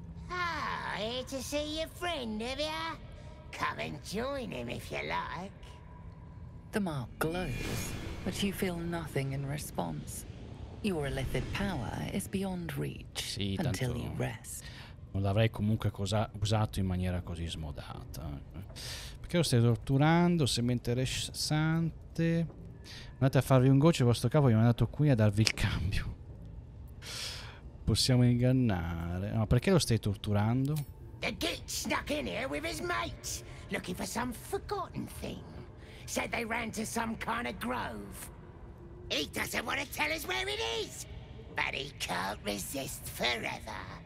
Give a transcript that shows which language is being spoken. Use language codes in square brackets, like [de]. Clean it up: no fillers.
[en] Ah, here to see your friend, have ya? Come and join him if you like. The mark glows, but you feel nothing in response. Your illithid power is beyond reach [it] sì, [en] until [it] tanto... [en] you rest. [it] Non l'avrei comunque usato in maniera così smodata. Perché lo stai torturando? Sembra interessante. Andate a farvi un goccio, il vostro capo mi ha mandato qui a darvi il cambio. Possiamo ingannare. Ma no, perché lo stai torturando? [en] The geek snuck in here with his mates, looking for some forgotten thing. Said they ran to some kind of grove. He doesn't want to tell us where it is, but he can't resist forever.